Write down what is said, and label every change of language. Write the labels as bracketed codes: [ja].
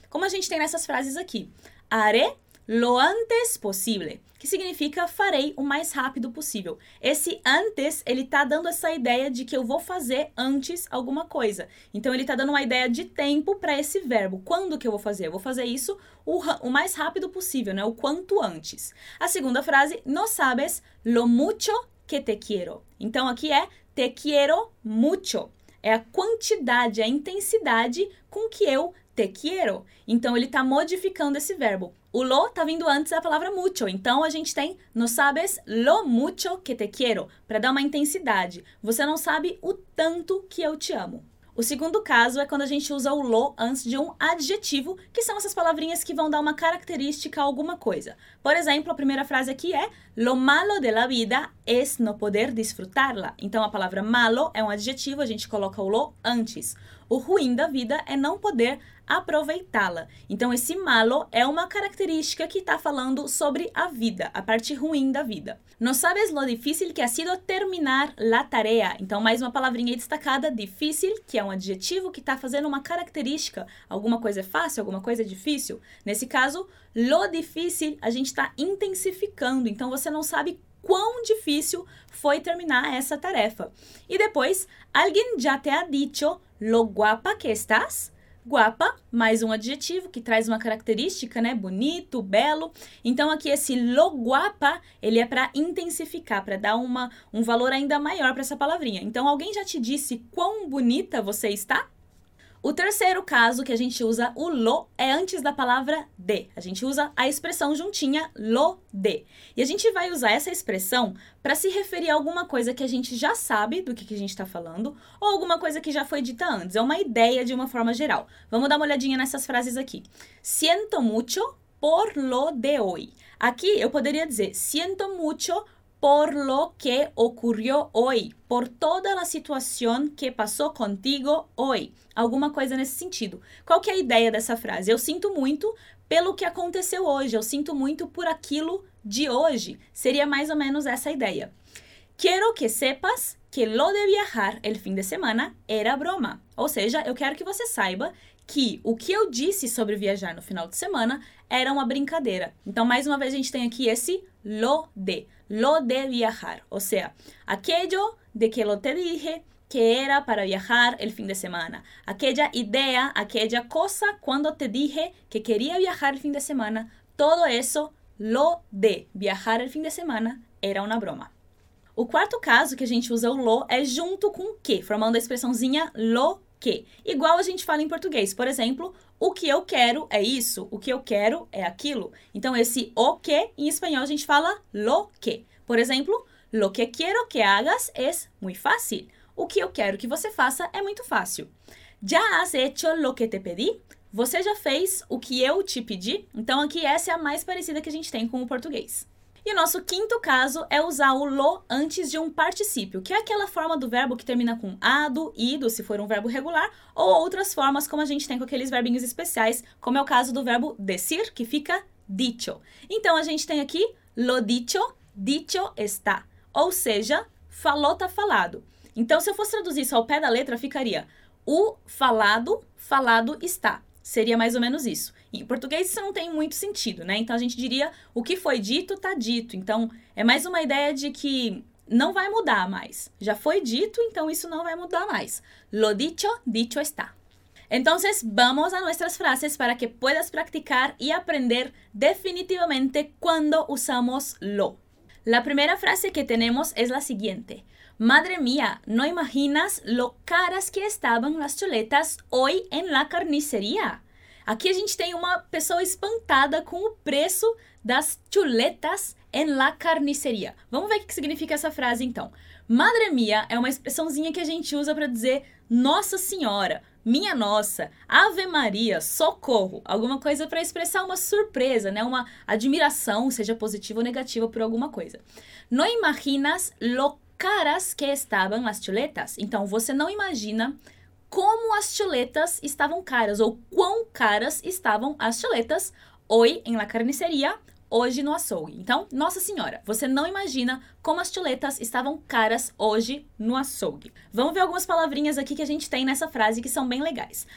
[pt] Como a gente tem nessas frases aqui: [es] haré lo antes possible, [pt] que significa farei o mais rápido possível. Esse antes, ele tá dando essa ideia de que eu vou fazer antes alguma coisa. Então, ele tá dando uma ideia de tempo para esse verbo. Quando que eu vou fazer? Eu vou fazer isso o mais rápido possível, né? O quanto antes. A segunda frase, [es] no sabes lo mucho que te quiero. [pt] Então, aqui é [es] te quiero mucho. [pt] É a quantidade, a intensidade com que eu [es] te quiero. [pt] Então, ele tá modificando esse verbo. O lo tá vindo antes da palavra mucho, então a gente tem [es] no sabes lo mucho que te quiero, [pt] para dar uma intensidade. Você não sabe o tanto que eu te amo. O segundo caso é quando a gente usa o lo antes de um adjetivo, que são essas palavrinhas que vão dar uma característica a alguma coisa. Por exemplo, a primeira frase aqui é [es] lo malo de la vida es no poder disfrutarla. [pt] Então, a palavra malo é um adjetivo, a gente coloca o lo antes. O ruim da vida é não poder aproveitá-la. Então, esse malo é uma característica que está falando sobre a vida, a parte ruim da vida. [es] No sabes lo difícil que ha sido terminar la tarea. [pt] Então, mais uma palavrinha destacada, difícil, que é um adjetivo que está fazendo uma característica. Alguma coisa é fácil, alguma coisa é difícil. Nesse caso, [es] lo difícil, [pt] a gente está intensificando. Então, você não sabe quão difícil foi terminar essa tarefa. E depois, [es] alguien ya te ha dicho lo guapa que estás? [pt] Guapa, mais um adjetivo que traz uma característica, né? Bonito, belo. Então, aqui esse [es] lo guapa, [pt] ele é para intensificar, para dar um valor ainda maior para essa palavrinha. Então, alguém já te disse quão bonita você está? O terceiro caso que a gente usa o lo é antes da palavra de. A gente usa a expressão juntinha [es] lo de. [pt] E a gente vai usar essa expressão para se referir a alguma coisa que a gente já sabe do que a gente está falando ou alguma coisa que já foi dita antes. É uma ideia de uma forma geral. Vamos dar uma olhadinha nessas frases aqui. [es] Siento mucho por lo de hoy. [pt] Aqui eu poderia dizer [es] siento mucho por lo que ocurrió hoy, por toda la situación que pasó contigo hoy. [pt] Alguma coisa nesse sentido. Qual que é a ideia dessa frase? Eu sinto muito pelo que aconteceu hoje. Eu sinto muito por aquilo de hoje. Seria mais ou menos essa ideia. [es] Quiero que sepas que lo de viajar el fin de semana era broma. [pt] Ou seja, eu quero que você saiba que o que eu disse sobre viajar no final de semana era uma brincadeira. Então, mais uma vez, a gente tem aqui esse [es] lo de viajar. [pt] Ou seja, [es] aquello de que lo te dije que era para viajar el fin de semana. Aquella idea, aquella cosa cuando te dije que quería viajar el fin de semana. Todo eso, lo de viajar el fin de semana, era una broma. [pt] O quarto caso que a gente usa o lo é junto com o que, formando a expressãozinha [es] lo que. [pt] Igual a gente fala em português. Por exemplo, o que eu quero é isso, o que eu quero é aquilo. Então, esse o que, em espanhol, a gente fala [es] lo que. [pt] Por exemplo, [es] lo que quiero que hagas es muy fácil. [pt] O que eu quero que você faça é muito fácil. [es] Ya has hecho lo que te pedí? [pt] Você já fez o que eu te pedi? Então, aqui, essa é a mais parecida que a gente tem com o português. E o nosso quinto caso é usar o lo antes de um particípio, que é aquela forma do verbo que termina com ado, ido, se for um verbo regular, ou outras formas como a gente tem com aqueles verbinhos especiais, como é o caso do verbo decir, que fica dicho. Então, a gente tem aqui [es] lo dicho, dicho está. [pt] Ou seja, falou, tá falado. Então, se eu fosse traduzir isso ao pé da letra, ficaria o falado, falado está. Seria mais ou menos isso. Em português, isso não tem muito sentido, né? Então, a gente diria, o que foi dito, tá dito. Então, é mais uma ideia de que não vai mudar mais. Já foi dito, então isso não vai mudar mais. [es] Lo dicho, dicho está. Entonces, vamos a nuestras frases para que puedas practicar y aprender definitivamente cuando usamos lo. La primera frase que tenemos es la siguiente. Madre mía, no imaginas lo caras que estaban las chuletas hoy en la carnicería. [pt] Aqui a gente tem uma pessoa espantada com o preço das chuletas [es] en la carnicería. [pt] Vamos ver o que significa essa frase, então. [es] Madre mía [pt] é uma expressãozinha que a gente usa para dizer Nossa Senhora, Minha Nossa, Ave Maria, Socorro. Alguma coisa para expressar uma surpresa, né? Uma admiração, seja positiva ou negativa, por alguma coisa. [es] No imaginas lo caras que estaban las chuletas. [pt] Então, você não imagina como as chuletas estavam caras, ou quão caras estavam as chuletas [es] hoy en la carnicería, [pt] hoje no açougue. Então, Nossa Senhora, você não imagina como as chuletas estavam caras hoje no açougue. Vamos ver algumas palavrinhas aqui que a gente tem nessa frase que são bem legais.